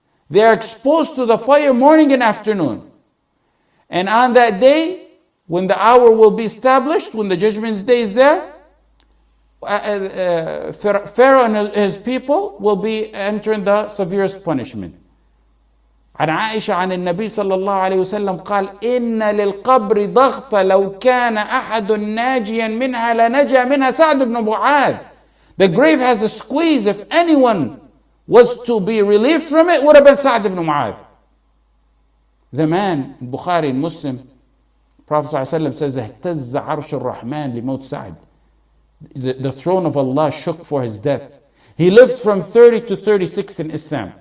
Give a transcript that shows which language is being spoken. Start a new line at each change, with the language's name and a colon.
English: They are exposed to the fire morning and afternoon. And on that day, when the hour will be established, when the judgment day is there, Pharaoh and his people will be entering the severest punishment.
Arabic: عن عائشة عن النبي صلى الله عليه وسلم قال إن للقبر ضغطة لو كان أحد ناجيا منها لنجا منها سعد بن معاذ.
English: The grave has a squeeze. If anyone was to be relieved from it, would have been Sa'd ibn Mu'adh. The man, Bukhari and Muslim, Prophet ﷺ says,
Arabic: اهتز عرش الرحمن لموت سعد.
English: The throne of Allah shook for his death. He lived from 30 to 36 in Islam.